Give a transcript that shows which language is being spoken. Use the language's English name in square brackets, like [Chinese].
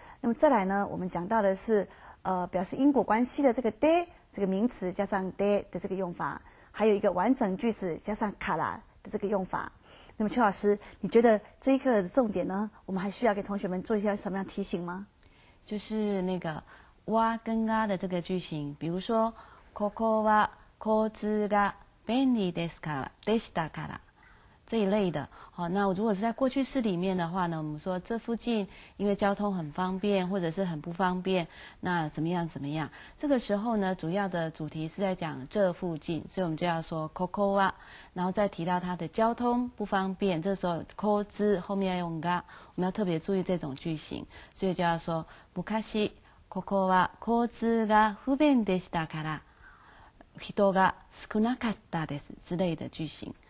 [Chinese] 那么再来呢，我们讲到的是。表示因果关系的这个で，这个名词加上で的这个用法，还有一个完整句子加上から的这个用法。那么邱老师，你觉得这一课的重点呢，我们还需要给同学们做一些什么样提醒吗？就是那个わ跟が的这个句型，比如说 [Japanese] ここは交通が便利ですから、でしたから [Chinese] 这一类的。好，那如果是在过去式里面的话呢，我们说这附近因为交通很方便或者是很不方便，那怎么样怎么样，这个时候呢主要的主题是在讲这附近，所以我们就要说ここは，然后再提到它的交通不方便，这时候交通后面要用が，我们要特别注意这种句型，所以就要说 [Japanese] 昔ここは交通が不便でしたから人が少なかったです [Chinese] 之类的句型。